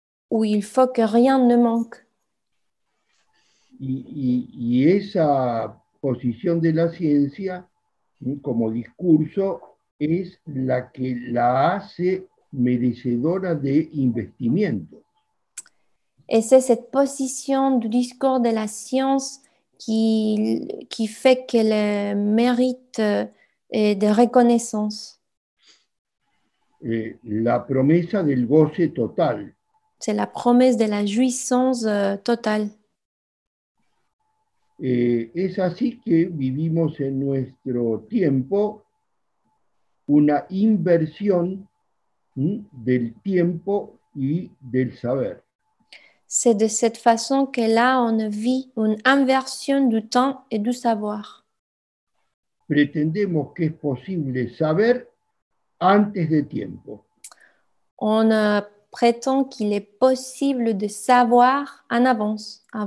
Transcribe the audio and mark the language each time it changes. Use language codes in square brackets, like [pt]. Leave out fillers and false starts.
[fr] Où il faut que rien ne manque. [es] Y esa posición de la ciencia como discurso es la que la hace merecedora de investimientos. [fr] Et c'est cette position du discours de la science qui fait qu'elle mérite de reconnaissance. [es] La promesa del goce total. [fr] C'est la promesse de la jouissance totale. [es] Es así que vivimos en nuestro tiempo una inversión del tiempo y del saber. [fr] C'est de cette façon que là on vit une inversion du temps et du savoir. [es] Pretendemos que es posible saber antes de tiempo. [fr] On prétend qu'il est possible de savoir en avance,